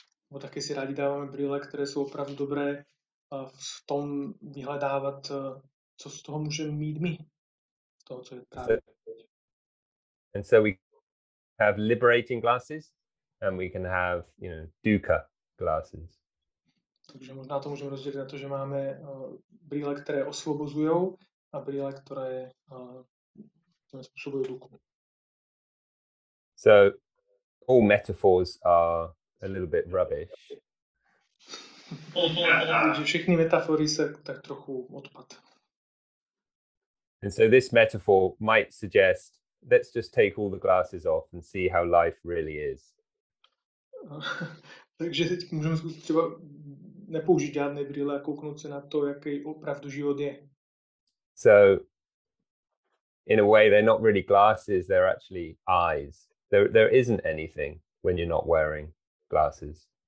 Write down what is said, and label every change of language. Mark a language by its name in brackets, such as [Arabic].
[Czech] Nebo taky si rádi dáváme brýle, které jsou opravdu dobré v tom vyhledávat, co z toho můžeme mít my. Z toho, co je právě. [English] And so we have liberating glasses. And we can have, you know, dukkha glasses. [Czech] Takže možná to můžeme rozdělit na to, že máme brýle, které osvobozujou, a brýle, které způsobují dukku. [English] So all metaphors are a little bit rubbish. [Czech] Všechny metafory se tak trochu odpad. [English] And so this metaphor might suggest, let's just take all the glasses off and see how life really is. [Czech] Takže teď můžeme zkusit třeba nepoužít žádné brýle a kouknout se na to, jaký opravdu život je. [English] So, in a way, they're not really glasses, they're actually eyes. There isn't anything when you're not wearing glasses.